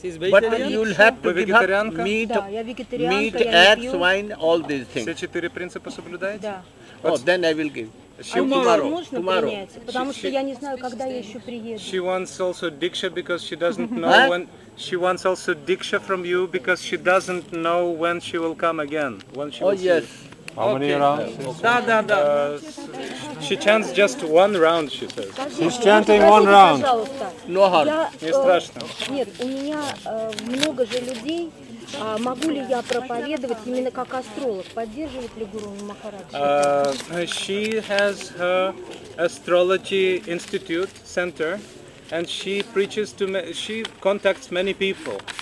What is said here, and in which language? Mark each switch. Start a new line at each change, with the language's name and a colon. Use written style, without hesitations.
English: But you'll have to give up meat, meat, eggs, wine, all these things.
Russian: Все четыре принципа соблюдаете? Да.
English: Oh, then I will give. She, tomorrow.
Russian: Потому что я не знаю, когда я еще приеду.
English: She wants also diksha because she doesn't know when. She wants also diksha from you because she doesn't know when she will come again. When she will oh yes. How many okay. rounds? Okay.
Russian: Da, da, da.
English: She chants just one round, she says. She's chanting one round. No harm.
Russian: Не страшно. Нет, у меня много же людей. Могу ли я проповедовать именно как астролог? Поддерживает ли Гуру Махарадж?
English: She has her astrology institute center, and she preaches to she contacts many people.